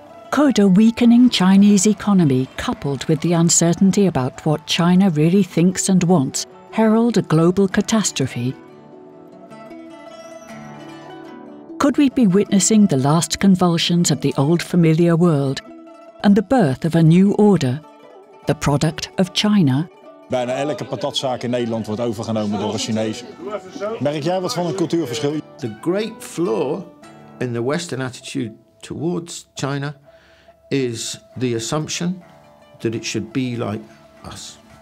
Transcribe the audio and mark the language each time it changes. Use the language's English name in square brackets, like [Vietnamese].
[English] Could a weakening Chinese economy, coupled with the uncertainty about what China really thinks and wants, herald a global catastrophe? Could we be witnessing the last convulsions of the old familiar world and the birth of a new order, the product of China? [Dutch] Bijna elke patatzaak in Nederland wordt overgenomen door een Chinees. Merk jij wat van een cultuurverschil? [English] The great flaw in the Western attitude towards China is the assumption that it should be like us.